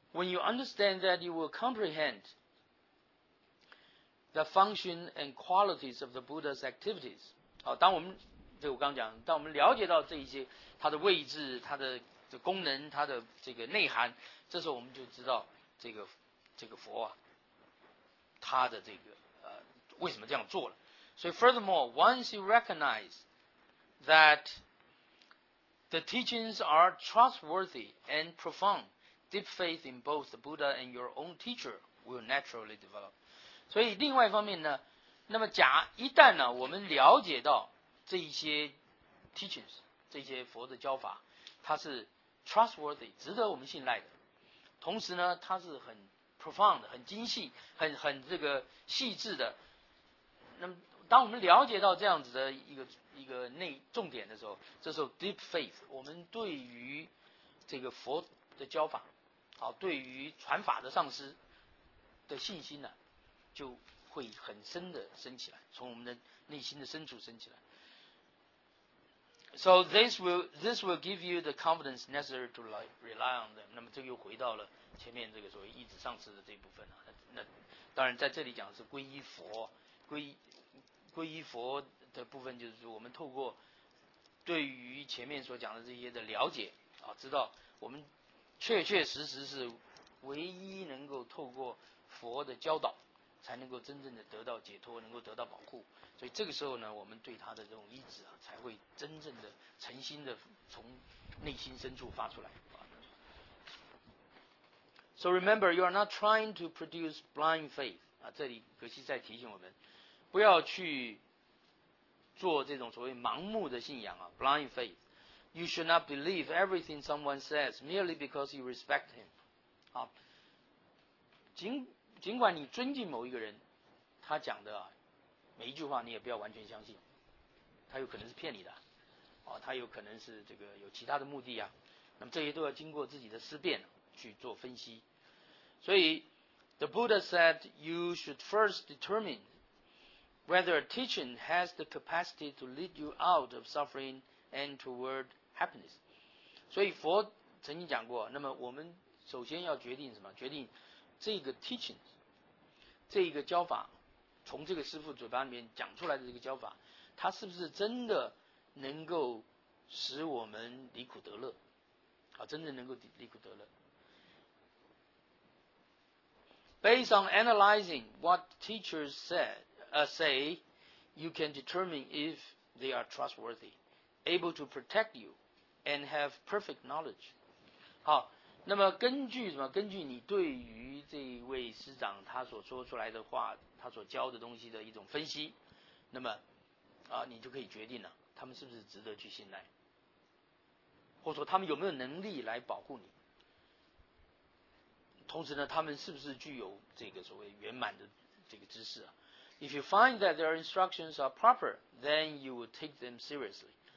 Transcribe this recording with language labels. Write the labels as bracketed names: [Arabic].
[English] When you understand that, you will comprehend the function and qualities of the Buddha's activities. [Chinese] 好，当我们，对我刚讲，当我们了解到这一些它的位置、它的功能、它的这个内涵，这时候我们就知道这个佛啊，他的这个为什么这样做了。所以 [English] furthermore, once you recognize that the teachings are trustworthy and profound, deep faith in both the Buddha and your own teacher will naturally develop. [Chinese] 所以另外一方面呢，那么假一旦呢，我们了解到这一些 teachings, 这些佛的教法，它是 trustworthy, 值得我们信赖的，同时呢，它是很 profound, 很精细，很这个细致的。那么当我们了解到这样子的一个内重点的时候，这时候 [English] deep faith, [Chinese] 我们对于这个佛的教法，好，对于传法的上师的信心呢，就会很深的升起来，从我们的内心的深处升起来。 [English] So this will give you the confidence necessary to rely on them. [Chinese] 那么这个又回到了前面这个所谓一直上师的这一部分啊。那当然在这里讲的是皈依佛，皈依佛的部分，就是说我们透过对于前面所讲的这些的了解啊，知道我们确确实实是唯一能够透过佛的教导，才能够真正的得到解脱，能够得到保护。所以这个时候呢，我们对他的这种依止啊，才会真正的诚心的从内心深处发出来。 [English] So remember, you are not trying to produce blind faith. [Chinese] 啊，这里格西在提醒我们，不要去做这种所谓盲目的信仰啊 ， [English] blind faith. You should not believe everything someone says merely because you respect him. [Chinese] 啊，尽管你尊敬某一个人，他讲的啊，每一句话你也不要完全相信，他有可能是骗你的，哦，他有可能是这个有其他的目的啊。那么这些都要经过自己的思辨去做分析。所以 [English] ，The Buddha said you should first determine whether a teaching has the capacity to lead you out of suffering and toward happiness。 [Chinese] 所以佛曾经讲过，那么我们首先要决定什么？决定这个 teaching, 这个教法，从这个师父嘴巴里面讲出来的这个教法，它是不是真的能够使我们离苦得乐？啊，真的能够离苦得乐。 [English] Based on analyzing what teachers say, you can determine if they are trustworthy, able to protect you, and have perfect knowledge. [Chinese] 好。那么根据什么？根据你对于这位师长他所说出来的话，他所教的东西的一种分析，那么你就可以决定了，他们是不是值得去信赖，或者说他们有没有能力来保护你，同时呢，他们是不是具有这个所谓圆满的这个知识啊 ？ [English] If you find that their instructions are proper, then you will take them seriously.